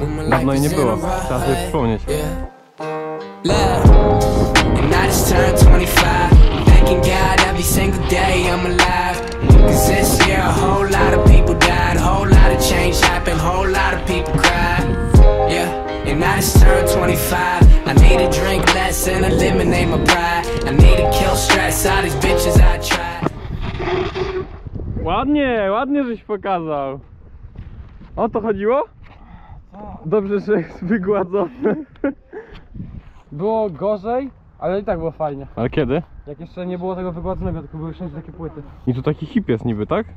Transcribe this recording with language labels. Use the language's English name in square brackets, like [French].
[Polish] Dawno i nie było, trzeba sobie przypomnieć. [English] Love, and I just turned 25. Thanking God every single day I'm alive. Cause this year a whole lot of people died. A whole lot of change happened. A whole lot of people cried. Yeah, and I just turned 25. I need to drink less and eliminate my pride. I need to kill stress. All these bitches I tried. [Polish] Ładnie, ładnie żeś pokazał. O to chodziło? Dobrze, że wygładzony. Było gorzej, ale i tak było fajnie. Ale kiedy? Jak jeszcze nie było tego wygładzonego, tylko były wszędzie takie płyty. I tu taki hip jest niby, tak?